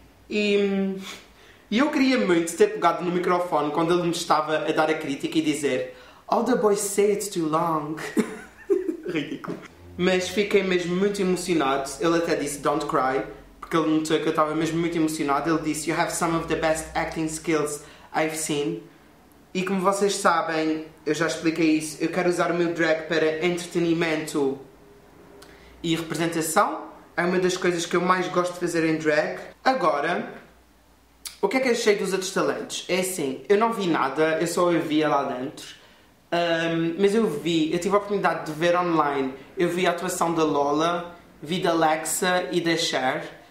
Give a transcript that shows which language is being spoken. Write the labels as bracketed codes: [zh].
[pt] E eu queria muito ter pegado no microfone quando ele me estava a dar a crítica e dizer [en] "All the boys say it's too long." [pt] Ridículo. Mas fiquei mesmo muito emocionado. Ele até disse [en] "Don't cry", [pt] porque ele notou que eu estava mesmo muito emocionado. Ele disse [en] "You have some of the best acting skills I've seen." [pt] E como vocês sabem, eu já expliquei isso, eu quero usar o meu drag para entretenimento e representação. É uma das coisas que eu mais gosto de fazer em drag. Agora, o que é que eu achei dos outros talentos? É assim, eu não vi nada, eu só ouvia lá dentro. Mas eu vi, eu tive a oportunidade de ver online, eu vi a atuação da Lola, vi da Alexa e da Cher.